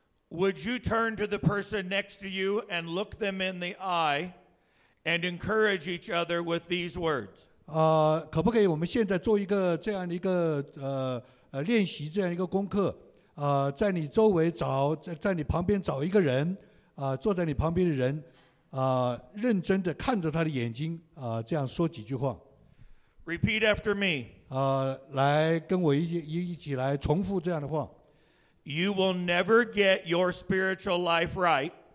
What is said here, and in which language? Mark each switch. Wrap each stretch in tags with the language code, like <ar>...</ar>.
<en>Would you turn to the person next to you and look them in the eye and encourage each other with these words?</en> <zh>可不可以我们现在做一个这样的一个练习，这样一个功课，在你旁边找一个人，坐在你旁边的人，认真的看着他的眼睛，这样说几句话。</zh> <en>Repeat after me.</en> <zh>来跟我一起来重复这样的话。</zh> <en>You will never get your spiritual life right.</en>